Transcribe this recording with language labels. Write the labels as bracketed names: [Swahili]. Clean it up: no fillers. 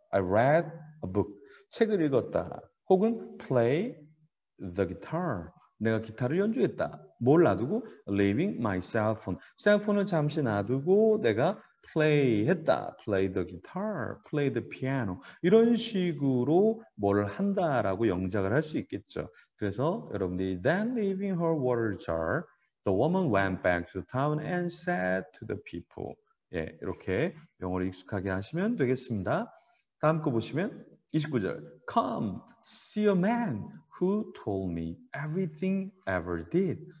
[English] I read a book. [Korean] 책을 읽었다. [English] 혹은 play the guitar. [Korean] 내가 기타를 연주했다. 뭘 놔두고? [English] Leaving my cell phone. [Korean] 셀폰을 잠시 놔두고 내가 play 했다. [English] Play the guitar. Play the piano. [Korean] 이런 식으로 뭘 한다라고 영작을 할 수 있겠죠. 그래서 여러분들이 [English] Then leaving her water jar, the woman went back to town and said to the people. [Korean] 예, 이렇게 영어를 익숙하게 하시면 되겠습니다. 다음 거 보시면 29절. [English] Come, see a man who told me everything ever did.